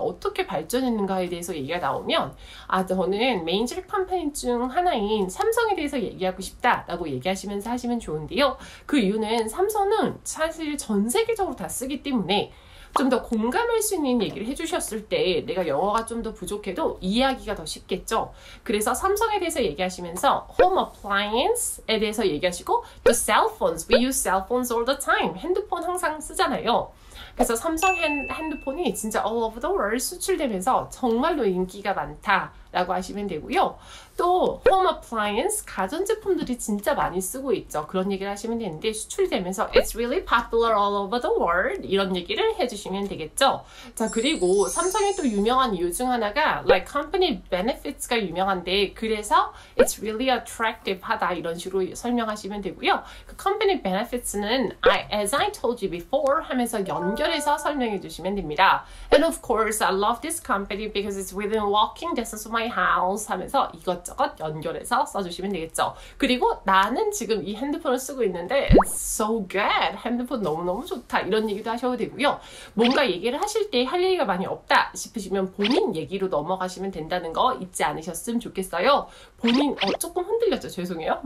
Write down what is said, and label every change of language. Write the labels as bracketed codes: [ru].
[ko] 어떻게 발전했는가에 대해서 얘기가 나오면 아, 저는 메인저 컴퍼니 중 하나인 삼성에 대해서 얘기하고 싶다라고 얘기하시면서 하시면 좋은데요. 그 이유는 삼성은 사실 전 세계적으로 다 쓰기 때문에 좀더 공감할 수 있는 얘기를 해주셨을 때 내가 영어가 좀더 부족해도 이해하기가 더 쉽겠죠? 그래서 삼성에 대해서 얘기하시면서 home appliance에 대해서 얘기하시고 또 cell phones, [en] we use cell phones all the time. [ko] 핸드폰 항상 쓰잖아요. 그래서 삼성 핸드폰이 진짜 [en] all over the world [ko] 수출되면서 정말로 인기가 많다라고 하시면 되고요. 또 home appliance, 가전제품들이 진짜 많이 쓰고 있죠. 그런 얘기를 하시면 되는데 수출되면서 [en] it's really popular all over the world [ko] 이런 얘기를 해주시면 되겠죠. 자, 그리고 삼성이 또 유명한 이유 중 하나가 like company benefits가 유명한데 그래서 [en] it's really attractive [ko] 하다 이런 식으로 설명하시면 되고요. 그 company benefits는 [en] as I told you before [ko] 하면서 연결해서 설명해 주시면 됩니다. [en] And of course I love this company because it's within walking distance of my house [ko] 하면서 이것저것 연결해서 써주시면 되겠죠. 그리고 나는 지금 이 핸드폰을 쓰고 있는데 [en] It's so good! [ko] 핸드폰 너무너무 좋다 이런 얘기도 하셔도 되고요. 뭔가 얘기를 하실 때 할 얘기가 많이 없다 싶으시면 본인 얘기로 넘어가시면 된다는 거 잊지 않으셨으면 좋겠어요. 본인 조금 흔들렸죠? 죄송해요.